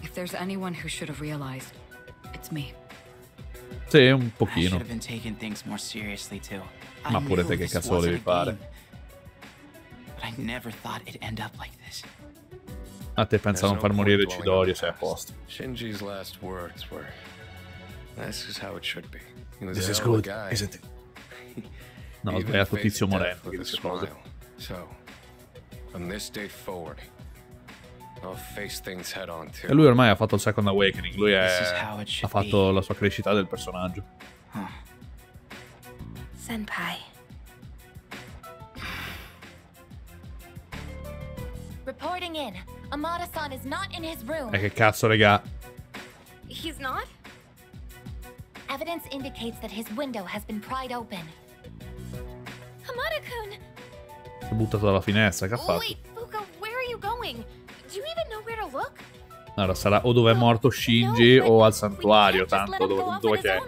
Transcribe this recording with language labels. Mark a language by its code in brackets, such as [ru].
[en] If there's anyone who should have realized, it's me. [it] Sì, un pochino. [en] I should have been taking things more seriously too. [it] Ma pure te che cazzo volevi fare? [en] But I never thought it'd end up like this. [it] A te pensa non far morire Chidori, sei a posto. [en] Shinji's last words were, this is how it should be. This is good, isn't it? [it] No, ho sbagliato Tizio Moreno. So, [en] from this day forward, I'll face things head on too. [it] E lui ormai ha fatto il Second Awakening. Lui è, ha fatto la sua crescita del personaggio. [en] Senpai. Reporting in. Amada-san is not in his room. [it] E che cazzo, regà? [en] He's not? Evidence indicates that his window has been pried open. Amada-kun! [it] Si è buttato dalla finestra, che ha fatto? [en] Wait, Fuka, where are you going? Do you even know where to look? [it] Allora, sarà o dove è morto Shinji o al santuario, tanto dove che è.